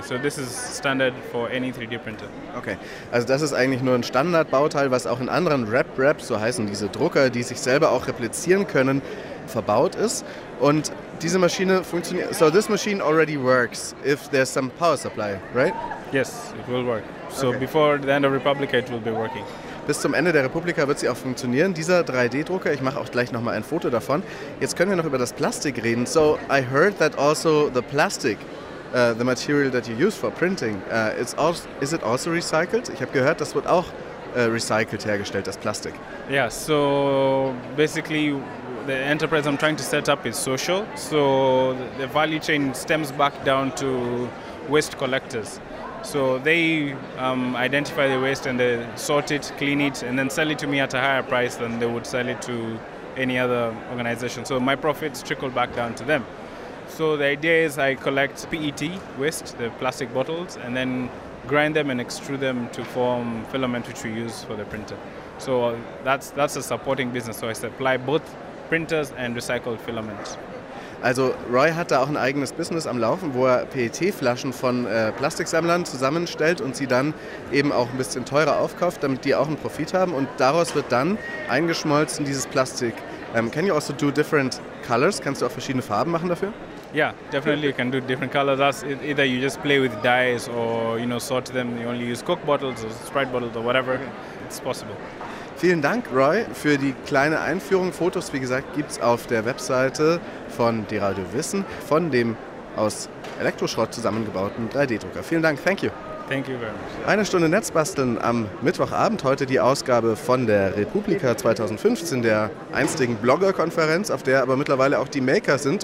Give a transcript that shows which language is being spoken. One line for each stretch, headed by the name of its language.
English: So this is standard for any 3D printer.
German: Okay, also das ist eigentlich nur ein Standardbauteil, was auch in anderen RepRap, so heißen diese Drucker, die sich selber auch replizieren können, verbaut ist. Und diese Maschine funktioniert.
English: So this machine already works if there's some power supply, right? Yes, it will work. So okay. Before the end of Republika, it will be working.
German: Bis zum Ende der Republika wird sie auch funktionieren. Dieser 3D-Drucker, ich mache auch gleich nochmal ein Foto davon. Jetzt können wir noch über das Plastik reden.
English: So, I heard that also the plastic, the material that you use for printing, is it also recycled?
German: Ich habe gehört, das wird auch recycelt hergestellt, das Plastik.
English: Yeah, so basically the enterprise I'm trying to set up is social. So the value chain stems back down to waste collectors. So they identify the waste and they sort it, clean it, and then sell it to me at a higher price than they would sell it to any other organization. So my profits trickle back down to them. So the idea is I collect PET waste, the plastic bottles, and then grind them and extrude them to form filament, which we use for the printer. So that's a supporting business. So I supply both printers and recycled filament.
German: Also Roy hat da auch ein eigenes Business am Laufen, wo er PET-Flaschen von Plastiksammlern zusammenstellt und sie dann eben auch ein bisschen teurer aufkauft, damit die auch einen Profit haben. Und daraus wird dann eingeschmolzen dieses Plastik.
English: Can you also do different colors?
German: Kannst du auch verschiedene Farben machen dafür?
English: Yeah, definitely you can do different colors. That's either you just play with dyes or you know sort them. You only use Coke bottles or Sprite bottles or whatever. It's possible.
German: Vielen Dank, Roy, für die kleine Einführung. Fotos, wie gesagt, gibt es auf der Webseite von die Radio Wissen, von dem aus Elektroschrott zusammengebauten 3D-Drucker. Vielen Dank, thank you.
English: Thank you very much.
German: Eine Stunde Netzbasteln am Mittwochabend. Heute die Ausgabe von der Republika 2015, der einstigen Blogger-Konferenz, auf der aber mittlerweile auch die Maker sind.